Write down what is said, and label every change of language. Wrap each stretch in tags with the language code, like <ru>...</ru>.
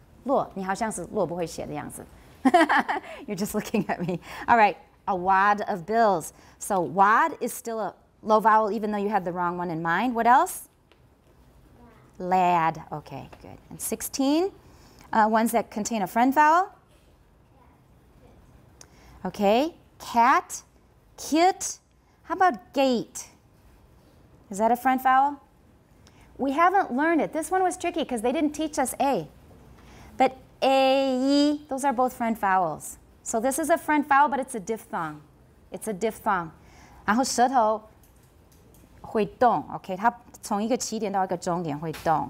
<zh>摞, 你好像是摞不会写的样子.</zh> <en>You're just looking at me. All right. A wad of bills. So wad is still a low vowel, even though you had the wrong one in mind. What else? Lad. Lad. Okay, good. And 16, ones that contain a front vowel. Okay, cat, kit. How about gate? Is that a front vowel? We haven't learned it. This one was tricky because they didn't teach us A. But A, E, those are both front vowels. So this is a front vowel, but it's a diphthong. It's a diphthong.</en> <zh>然后舌头会动,</zh> <en>okay?</en> <zh>它从一个起点到一个终点会动.</zh>